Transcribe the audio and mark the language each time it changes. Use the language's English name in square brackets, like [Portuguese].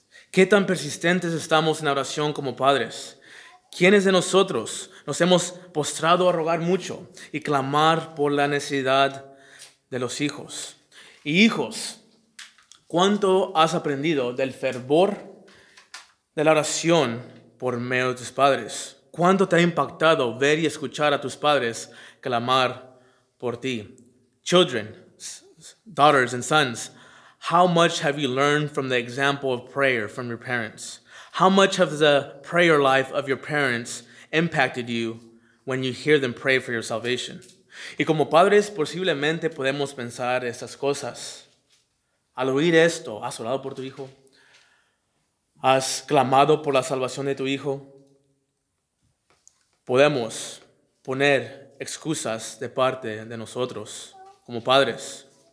[Spanish] ¿Qué tan persistentes estamos en oración como padres? ¿Quiénes de nosotros nos hemos postrado a rogar mucho y clamar por la necesidad de los hijos? Y hijos, ¿cuánto has aprendido del fervor de la oración por medio de tus padres? ¿Cuánto te ha impactado ver y escuchar a tus padres clamar por ti? [English] Children, daughters and sons, how much have you learned from the example of prayer from your parents? How much has the prayer life of your parents impacted you when you hear them pray for your salvation? [Spanish] Y como padres, posiblemente podemos pensar estas cosas. Al oír esto, ¿has orado por tu hijo? ¿Has clamado por la salvación de tu hijo? Podemos poner excusas de parte de nosotros como padres.